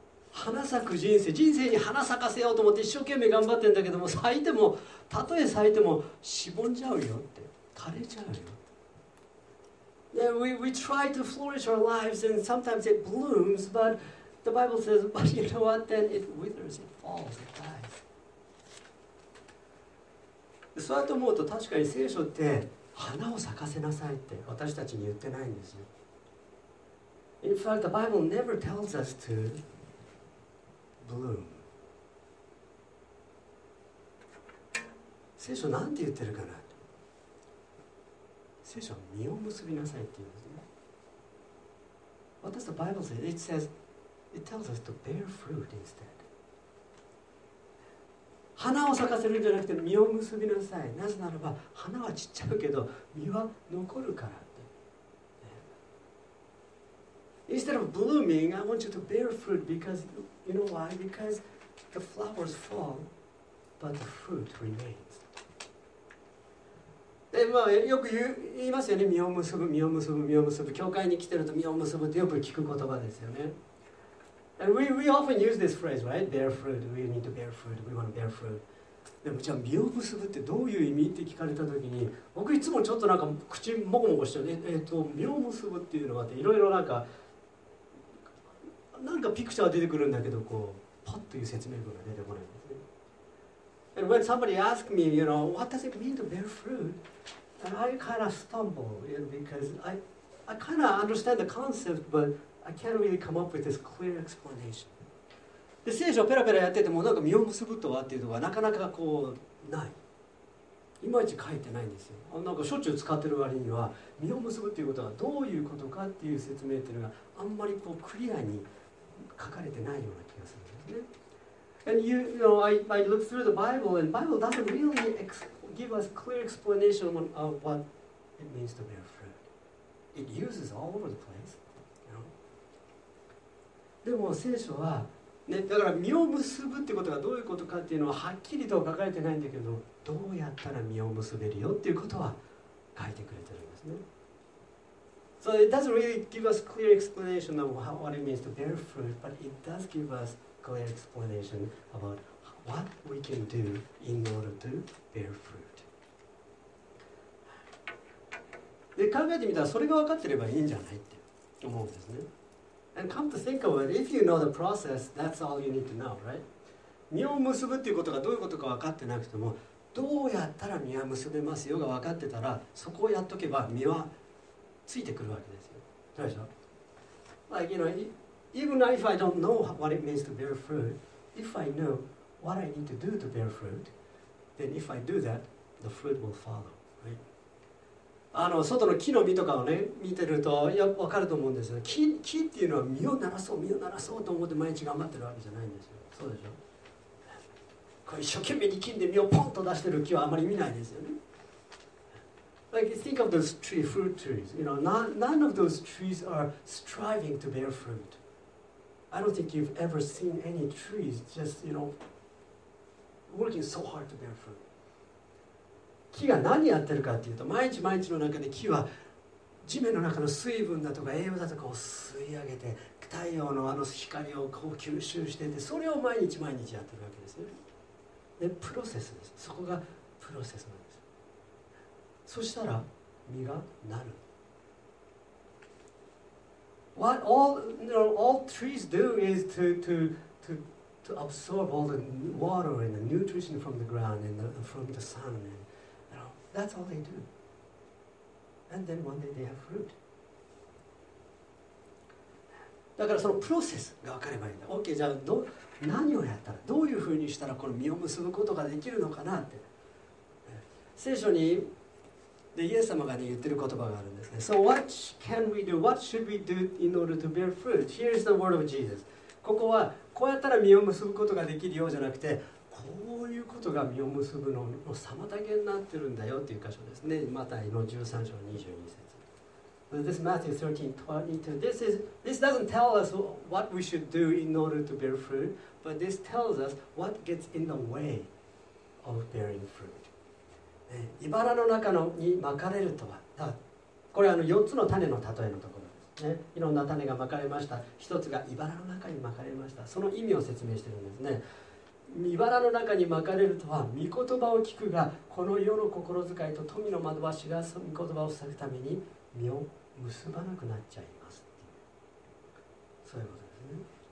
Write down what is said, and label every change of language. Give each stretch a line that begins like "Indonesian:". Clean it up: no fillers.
Japanese: 花咲く人生、人生に花咲かせようと思って一生懸命頑張ってんだけども、咲いても、たとえ咲いてもしぼんじゃうよって、枯れちゃうよ。
English: Then we try to flourish our lives and sometimes it blooms, but the Bible says, but you know what? Then it withers, it falls, it dies.
Japanese: そうやと思うと確かに聖書って花を咲かせなさいって私たちに言ってないんですよ。
English: In fact, the Bible never tells us to bloom.
Japanese: 聖書なんて言ってるかな？聖書は実を結びなさいって言うんですね。
English: What does the Bible say? It says, it tells us to bear fruit instead.
Japanese: 花を咲かせるんじゃなくて実を結びなさい。なぜならば花は散っちゃうけど実は残るからって、ね。
English: Instead of blooming, I want you to bear fruit because you know why? Because the flowers fall, but the fruit remains.
Japanese: で、まあよく言いますよね。実を結ぶ、実を結ぶ、実を結ぶ。教会に来てると実を結ぶってよく聞く言葉ですよね。
English: And we often use this phrase, right? Bear fruit. We need to bear fruit. We want to bear fruit.
Japanese: でもじゃあ実を結ぶってどういう意味って聞かれたときに、僕いつもちょっとなんか口もこもこしちゃう。実を結ぶっていうのはっていろいろなんかピクチャー出てくるんだけど、こうパッという説明文が出てこないんですね。
English: And when somebody asks me, you know, what does it mean to bear fruit? And I kind of stumble, you know, because I kind of understand the concept, butI can't really come up with this clear explanation.
Japanese: で、聖書をペラペラやってても、なんか実を結ぶとはっていうのがなかなかこうない。いまいち書いてないんですよ。なんかしょっちゅう使ってる割には、実を結ぶっていうことはどういうことかっていう説明っていうのがあんまりこうクリアに書かれてないような気がするんですね。
English: And I look through the Bible, and the Bible doesn't really give us clear explanation of what it means to bear fruit. It uses all over the place.
Japanese: でも聖書は、ね、だから実を結ぶってことがどういうことかっていうのははっきりと書かれてないんだけど、どうやったら実を結べるよっていうことは書いてくれてるんですね。
English: So it doesn't really give us clear explanation of what it means to bear fruit, but it does give us clear explanation about what we can do in order to bear fruit.
Japanese: で、考えてみたらそれが分かってればいいんじゃないって思うんですね。
English: And come to think of it, if you know the process, that's all you need to know, right?
Japanese: 実を結ぶっていうことがどういうことか分かってなくても、どうやったら実は結べますよが分かってたら、そこをやっとけば実はついてくるわけですよ。どうでしょう?
English: Like, you know, even if I don't know what it means to bear fruit, if I know what I need to do to bear fruit, then if I do that, the fruit will follow.
Japanese: あの外の木の実とかをね見てるとよく分かると思うんですよ。木っていうのは実をならそう実をならそうと思って毎日頑張ってるわけじゃないんですよ。そうでしょ。こう一生懸命力んで実をポンと出してる木はあまり見ないですよね。
English: Like think of those tree fruit trees. You know, none of those trees are striving to bear fruit. I don't think you've ever seen any trees just you know working so hard to bear fruit.
Japanese: 木が何やってるかっていうと、毎日毎日の中で木は地面の中の水分だとか栄養だとかを吸い上げて、太陽のあの光をこう吸収してて、それを毎日毎日やってるわけですよ。で、プロセスです。そこがプロセスなんです。そしたら実がなる。
English: What all trees do is to absorb all the water and the nutrition from the ground and from the sun and,That's all they do. And then one day they have fruit.
Japanese: だからそのプロセスが分かればいいんだ。OK、じゃあ何をやったら、どういうふうにしたらこの実を結ぶことができるのかなって。聖書にで、イエス様が、ね、言ってる言葉があるんですね。
English: So what can we do? What should we do in order to bear fruit? Here's the word of Jesus.
Japanese: ここはこうやったら実を結ぶことができるようじゃなくて、こういうことが実を結ぶのの妨げになってるんだよっていう箇所ですね。マタイの13章22節。
English: This Matthew 13:22. This doesn't tell us what we should do in order to bear fruit, but this tells us what gets in the way of bearing fruit.
Japanese: 茨の中のにまかれるとは、これは4つの種の例えのところです、ね。いろんな種がまかれました。1つが茨の中にまかれました。その意味を説明しているんですね。茨の中にまかれるとは、御言葉を聞くが、この世の心遣いと富の惑わしが御言葉を塞ぐために、実を結ばなくなっちゃいますっていう、そういうことですね。